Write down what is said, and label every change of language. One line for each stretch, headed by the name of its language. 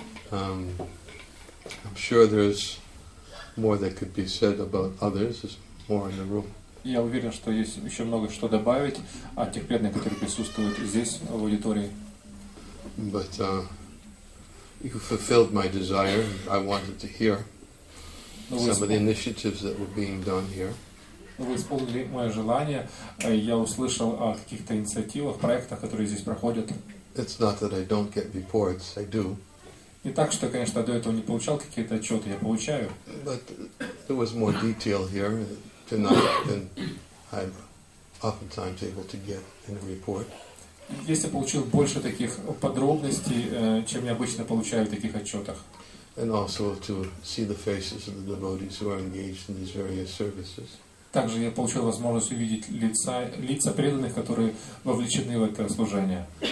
English: I'm sure there's more that could be said about others. There's more in the room.
Russian: Я уверен, что есть еще много что добавить о тех преданных, которые присутствуют здесь, в аудитории.
English: But you fulfilled my desire. I wanted to hear some of the initiatives that were being done here.
Russian: Вы исполнили мое желание. Я услышал о каких-то инициативах, проектах, которые здесь проходят.
English: It's not that I don't get reports. I do.
Russian: Не так, что, конечно, до этого не получал какие-то отчеты. Я получаю.
English: But there was more detail here tonight than I'm oftentimes able to get in a report.
Russian: Если я получил больше таких подробностей, чем я обычно получаю в таких отчетах.
English: And also to see the faces of the devotees who are engaged in these various services.
Russian: Также я получил возможность увидеть лица преданных, которые вовлечены в это служение.